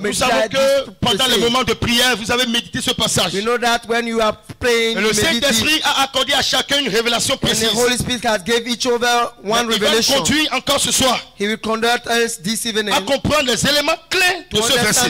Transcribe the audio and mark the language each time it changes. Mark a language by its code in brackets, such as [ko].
[fr] nous savons que pendant les moments de prière, vous avez médité ce passage. [en] We know that when you are praying, [fr] et [en] you [fr] le Saint-Esprit a accordé à chacun une révélation précise. [en] And the Holy Spirit has gave each of us one revelation. [fr] Il va conduire encore ce soir. [en] He will conduct us this evening. [fr] À comprendre les éléments clés de ce verset.